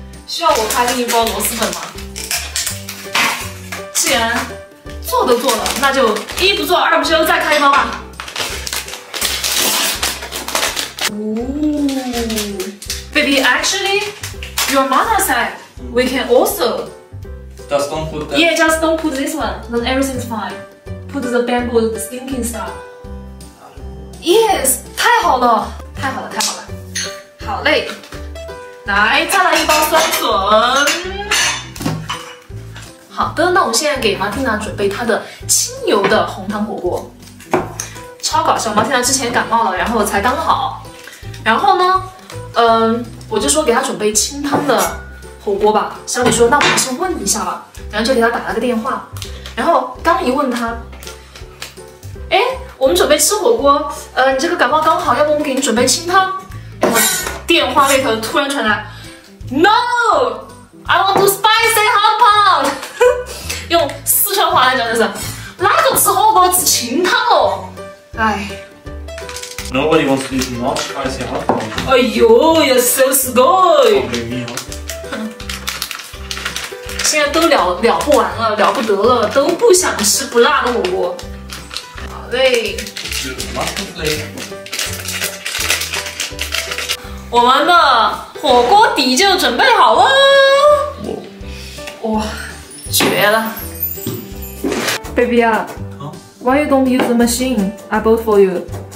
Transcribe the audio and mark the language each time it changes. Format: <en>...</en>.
<zh>需要我开另一包螺蛳粉吗？既然做都做了，那就一不做二不休，再开一包吧。</zh> <en>Ooh. Baby, actually, your mother said we can also. Just don't put that. Yeah, just don't put this one. Then everything's fine. Put the bamboo, the stinking stuff. Yes,</en> <zh>太好了，太好了，太好了。好嘞，来，再来一包酸笋。好的，那我现在给马蒂娜准备她的清油的红糖火锅。超搞笑，马蒂娜之前感冒了，然后才刚好。然后呢，我就说给他准备清汤的火锅吧。小李说，那我们先问一下吧。然后就给他打了个电话。然后刚一问他，哎，我们准备吃火锅，你这个感冒刚好，要不我们给你准备清汤？然后电话那头突然传来</zh> <en>，No， I want to spicy hot pot。</en> <zh>用四川话来讲就是，哪个吃火锅吃清汤哦？哎。</zh> <en>Nobody wants to eat not spicy hot pot. Ayo, you're so good. Oh, baby, huh?</en> <zh>现在都了不完了，了不得了，都不想吃不辣的火锅。好嘞。我们的火锅底就准备好了。哇，绝了。</zh> <en>Baby, why you don't use the machine? I bought for you.</en>